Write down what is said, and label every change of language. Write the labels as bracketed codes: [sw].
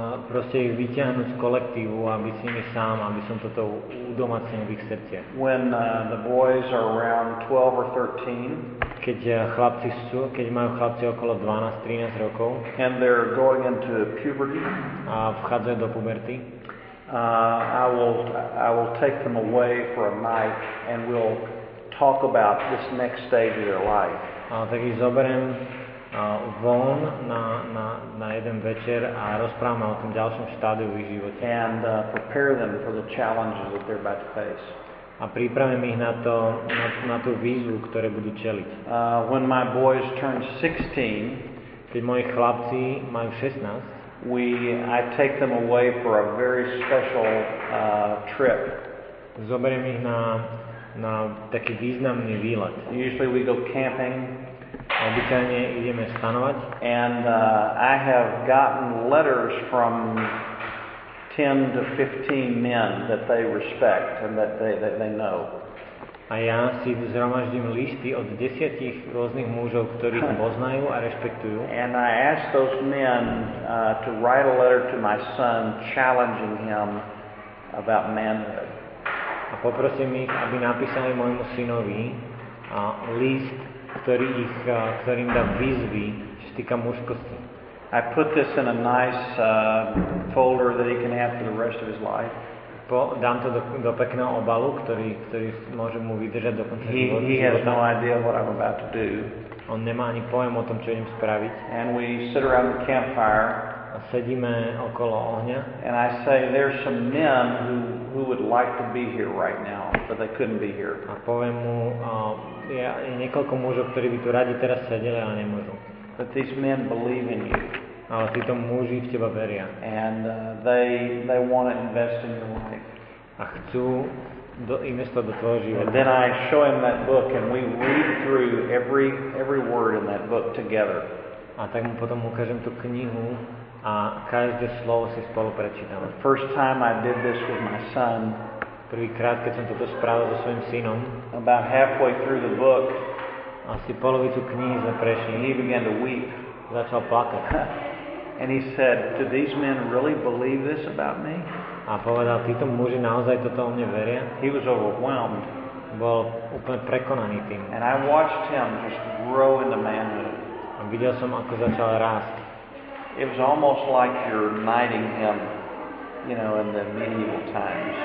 [sk] Proste ich vyťahnuť z kolektívu, aby si mi sám, aby som toto udomacnil v ich srdce. [en] When the boys are around 12 or 13, [sk] keď majú chlapci okolo 12-13 rokov, [en] and they're going into puberty, [sk] a vchádzajú do puberty, [en] I will take them away for a night and we'll talk about this next stage of their life. [sk] Tak ich zoberiem von na jeden večer a rozprávame o tom ďalšom štádiu v ich živote. [en] And prepare them for the challenges that they're about to face. [sk] A pripravím ich na tú výzvu, ktoré budú čeliť. [en] When my boys turn 16, [sk] keď moji chlapci majú 16, [en] I take them away for a very special trip. [sk] Zoberiem ich na taký významný výlet. [en] Usually we go camping. [sk] Obyčajne ideme stanovať. [en] And I have gotten letters from 10 to 15 men that they respect and that they know. [sk] A ja si zhromaždím listy od 10 rôznych mužov, ktorí ich poznajú a rešpektujú. [en] And I asked those men to write a letter to my son challenging him about manhood. [sk] A poprosím ich, aby napísali môjmu synovi list, ktorý im dá výzvy, se týka mužskosti. [en] I put this in a nice folder that he can have for the rest of his life. [sk] Dám to do pekného obalu, ktorý môže mu vydržať do konca života. [en] He has no idea what I'm about to do. [sk] On nemá ani pojem o tom, čo idem spraviť. [en] And we sit around the campfire. [sk] A sedíme okolo ohňa. [en] And I say there's some men who would like to be here right now, but they couldn't be here. [sk] A poviem mu, je niekoľko mužov, ktorí by tu radi teraz sedeli, ale nemôžu. [en] But these men believe in you. [sk] Ale títo muži v teba veria. [en] And they want to invest in your life. [sk] A chcú investovať do tvojho života. [en] And then I show him that book and we read through every word in that book together. [sk] A tak mu potom ukážem tú knihu a každé slovo si spolu prečítame. [en] First time I did this with my son. [sk] Prvýkrát, keď som toto spravil so svojím synom. [en] About halfway through the book. [sk] Asi polovicu knihy sme prešli. [en] He began to weep. [sk] Začal plakať. [en] And he said, "Do these men really believe this about me?" [sk] A povedal, títo muži naozaj toto o mne veria? [en] He was overwhelmed. [sk] Bol úplne prekonaný tým. [en] And I watched him just grow into manhood. [sk] A videl som, ako začal rásť. [en] It was almost like you're knighting him, you know, in the medieval times.